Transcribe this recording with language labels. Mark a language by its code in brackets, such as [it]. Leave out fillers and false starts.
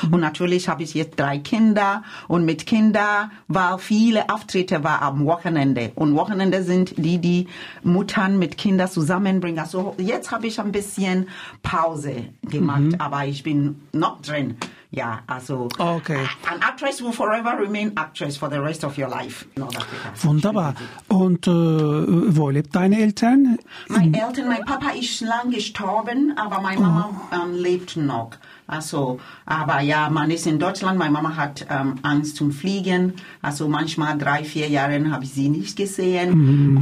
[de] Und natürlich habe ich jetzt 3 Kinder und mit Kindern war viele Auftritte war am Wochenende. Und Wochenende sind die, die Muttern mit Kindern zusammenbringen. Also jetzt habe ich ein bisschen Pause gemacht, aber ich bin noch drin. Ja, also okay. [en] An actress will forever remain actress for the rest of your life. [de] Wunderbar. Und wo lebt deine Eltern? Mein Papa ist lange gestorben, aber meine Mama lebt noch. Also, aber ja, man ist in Deutschland. Meine Mama hat Angst zum Fliegen. Also manchmal 3, 4 Jahre habe ich sie nicht gesehen.